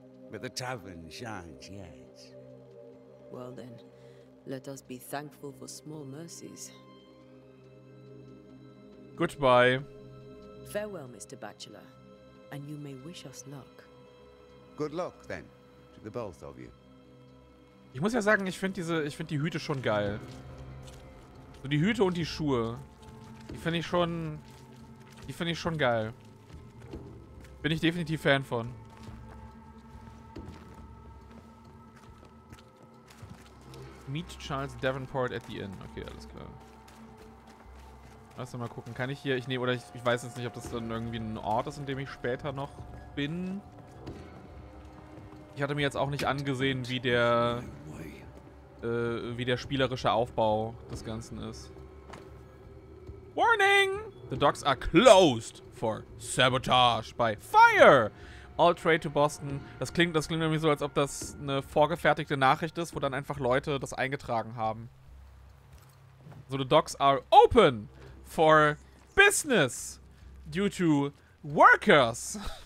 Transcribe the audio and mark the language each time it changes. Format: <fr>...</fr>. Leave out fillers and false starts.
<en>But the tavern shines yet. Well then, let us be thankful for small mercies. Goodbye. Farewell, Mr. Bachelor, and you may wish us luck. Good luck, then, to the both of you.</en> <de>Ich muss ja sagen, ich finde die Hüte schon geil. So die Hüte und die Schuhe. Die finde ich schon geil. Bin ich definitiv Fan von.</de> <en>Meet Charles Davenport at the Inn.</en> <de>Okay, alles klar. Lass mal gucken. Kann ich hier. Ich weiß jetzt nicht, ob das dann irgendwie ein Ort ist, in dem ich später noch bin. Ich hatte mir jetzt auch nicht angesehen, wie der spielerische Aufbau des Ganzen ist.</de> <en>Warning! The docks are closed for sabotage by fire! All trade to Boston.</en> <de>Das klingt irgendwie so, als ob das eine vorgefertigte Nachricht ist, wo dann einfach Leute das eingetragen haben.</de> <en>So, the docks are open for business due to workers.</en>